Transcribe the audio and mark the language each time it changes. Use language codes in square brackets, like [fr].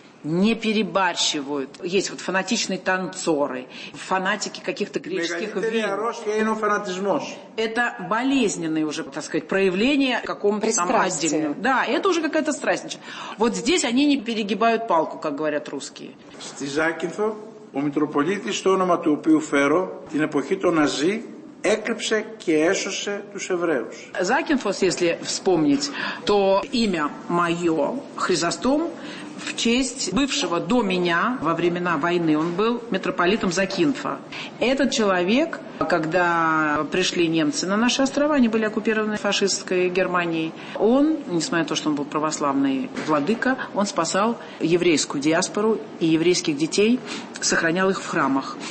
[ru] Не перебарщивают. Есть вот фанатичные танцоры, фанатики каких-то греческих вин. Это болезненные уже, так сказать, проявления какому-то там отдельному. Да, это уже какая-то страсть. Вот здесь они не перегибают палку, как говорят русские. [el] Στη Ζάκυνθο, ο Μητροπολίτης, το όνομα του οποίου φέρω, την εποχή των Ναζί, έκρυψε και έσωσε τους Εβραίους. [ru] Ζάκυνθος, если вспомнить, то имя мое, Χρυσαστόμ, в честь бывшего до меня, во времена войны, он был митрополитом Закинфа. Этот человек, когда пришли немцы на наши острова, они были оккупированы фашистской Германией, он, несмотря на то, что он был православный владыка, он спасал еврейскую диаспору и еврейских детей, сохранял их в храмах.